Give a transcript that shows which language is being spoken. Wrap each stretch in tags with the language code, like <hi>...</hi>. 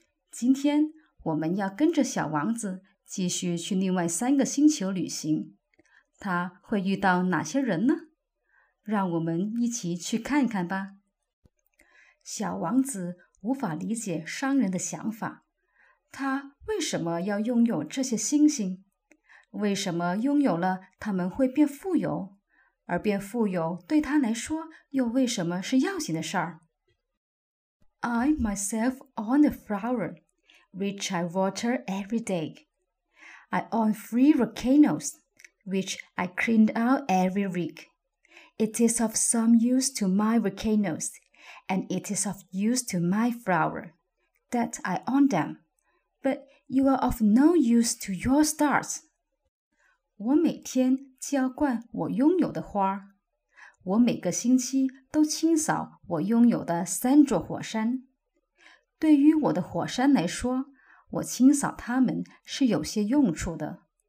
<zh>今天我们要跟着小王子继续去另外三个星球旅行，他会遇到哪些人呢？让我们一起去看看吧。小王子无法理解商人的想法。他为什么要拥有这些星星？为什么拥有了他们会变富有？而变富有对他来说又为什么是要紧的事儿？</zh> <en>I myself own a flower, which I water every day. I own three volcanoes, which I clean out every week. It is of some use to my volcanoes, and it is of use to my flower, that I own them. But you are of no use to your stars。</en> <zh>我每天浇灌我拥有的花儿，我每个星期都清扫我拥有的三座火山。对于我的火山来说，我清扫它们是有些用处的。</zh>